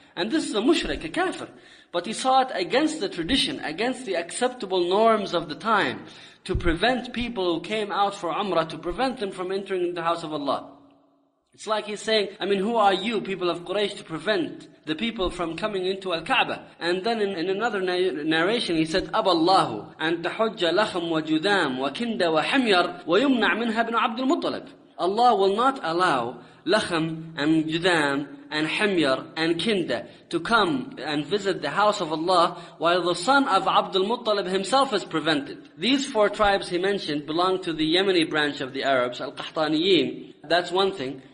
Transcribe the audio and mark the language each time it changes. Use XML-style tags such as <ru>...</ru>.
<en>And this is a mushrik, a kafir. But he saw it against the tradition, against the acceptable norms of the time, to prevent people who came out for Umrah, to prevent them from entering the house of Allah. It's like he's saying, I mean, who are you, people of Quraysh, to prevent the people from coming into Al-Kaaba? And then in another narration, he said,</en> <ar>أَبَاللَّهُ أَنْ تَحُجَّ لَخَمْ وَجُدَامْ وَكِنْدَ وَحَمْيَرْ وَيُمْنَعْ مِنْهَا بْنُ عَبْدُ الْمُطَّلِبِ.</ar> <en>Allah will not allow Lakham and Judam and Himyar and Kinda to come and visit the house of Allah while the son of Abdul Muttalib himself is prevented. These four tribes he mentioned belong to the Yemeni branch of the Arabs, Al-Qahtaniyin. That's one thing.</en>